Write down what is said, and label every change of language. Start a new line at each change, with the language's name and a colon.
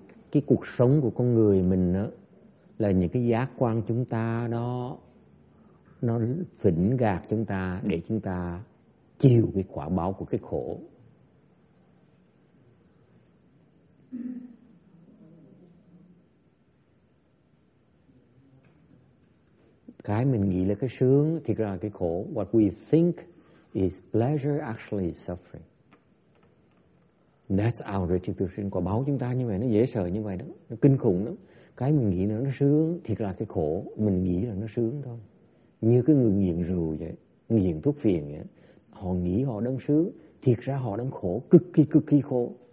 Vietnamese: Cái cuộc sống của con người mình đó, là những cái giác quan chúng ta đó, nó phỉnh gạt chúng ta để chúng ta chịu cái quả báo của cái khổ. Cái mình nghĩ là cái sướng thì ra cái khổ.
English: What we think is pleasure actually is suffering. That's our retribution.
Vietnamese: Quả báo chúng ta như vậy, nó dễ sợ như vậy đó. Nó kinh khủng lắm. Cái mình nghĩ là nó sướng thì ra cái khổ. Mình nghĩ là nó sướng thôi. Như cái người nghiện rượu vậy, nghiện thuốc phiện vậy. Họ nghĩ họ đang sướng, thiệt ra họ đang khổ, cực kỳ khổ.